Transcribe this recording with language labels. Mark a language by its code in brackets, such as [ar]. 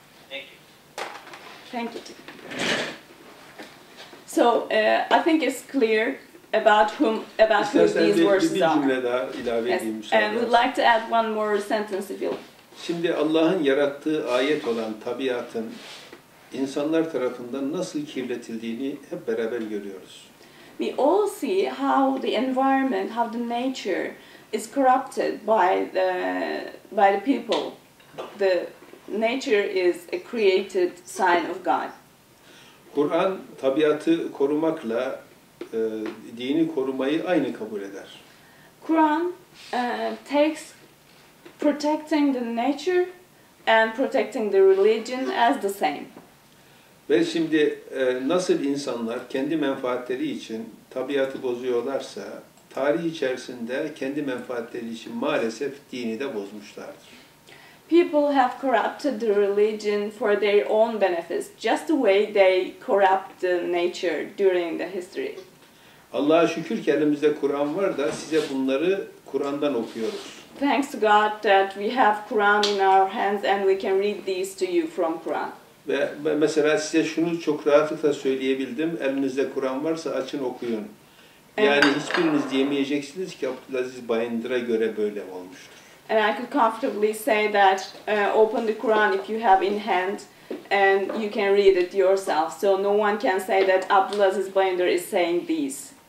[en] Thank you. Thank you. Thank you. So I think it's clear about who these verses are. And we'd like to add one more sentence if you. [tr] Şimdi Allah'ın yarattığı ayet olan tabiatın insanlar tarafından nasıl kirletildiğini hep beraber görüyoruz. [en] We all see how the environment, how the nature is corrupted by the people. The nature is a created sign of God. [tr] Kur'an tabiatı korumakla dini korumayı aynı kabul eder. [en] Kur'an takes protecting the nature and protecting the religion as the same. [tr] Ve şimdi nasıl insanlar kendi menfaatleri için tabiatı bozuyorlarsa, tarih içerisinde kendi menfaatleri için maalesef dini de bozmuşlardır. [en] People have corrupted the religion for their own benefits, just the way they corrupt the nature during the history. [tr] Allah'a şükür ki elimizde Kur'an var da size bunları Kur'an'dan okuyoruz. [en] Thanks to God that we have Quran in our hands and we can read these to you from Quran. [tr] Ve mesela size şunu çok rahatlıkla söyleyebildim. Elinizde Kur'an varsa açın okuyun. Yani hiçbiriniz diyemeyeceksiniz ki Abdülaziz Bayındır'a göre böyle olmuştur. [en] And I could comfortably say that open the Quran if you have in hand and you can read it yourself. So no one can say that Abdülaziz Bayındır is saying these.